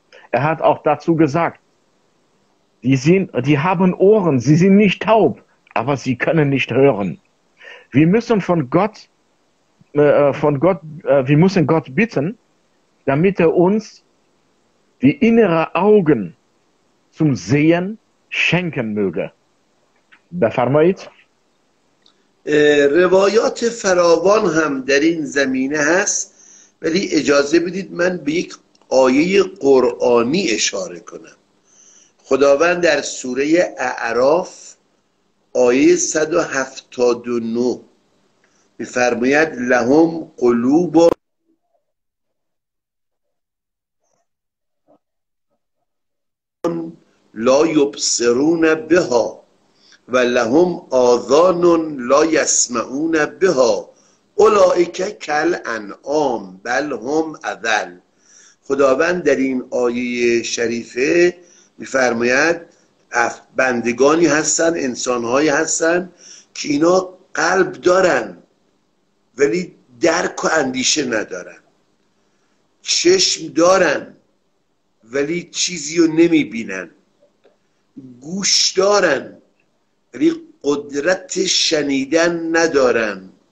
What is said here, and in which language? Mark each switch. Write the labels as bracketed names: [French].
[German] Er hat auch dazu gesagt, die haben Ohren, sie sind nicht taub, aber sie können nicht hören. Wir müssen Gott bitten, damit er uns die innere Augen zum Sehen schenken möge. Befarmait. [Persian] روایات فراوان هم در این زمینه هست، ولی اجازه بدید من به یک آیه قرآنی اشاره کنم. خداوند در سوره اعراف آیه 179 می‌فرماید [Arabic] لهم قلوب و لا لا یبصرون بها و لهم آذان لا یسمعون بها اولئک کل انعام بل هم اضل. [Persian] خداوند در این آیه شریفه می‌فرماید بندگانی هستند، انسان‌هایی هستند که اینا قلب دارن ولی درک و اندیشه ندارن، چشم دارن ولی چیزی رو نمی‌بینن، گوش دارن ولی قدرت شنیدن ندارن.